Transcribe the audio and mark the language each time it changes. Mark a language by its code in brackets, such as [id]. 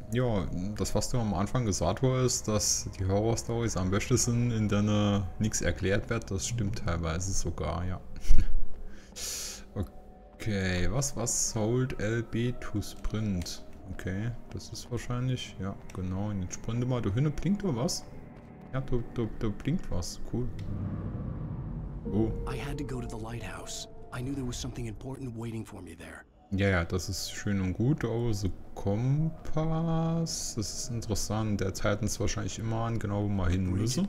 [de] Ja, das, was du am Anfang gesagt hast, dass die Horror-Stories am besten sind, in denen nichts erklärt wird, das stimmt teilweise sogar, ja. [en] Okay, was hold LB to sprint? [de] Okay, das ist wahrscheinlich, ja, genau, in den Sprint mal. Da hinten blinkt doch was. Ja, da blinkt was, cool. [en] Oh. I had to go to the lighthouse. I knew there was something important waiting for me there. [de] Ja, das ist schön und gut, aber so Kompass, das ist interessant. Der zeigt uns wahrscheinlich immer an, genau wo wir hin müssen.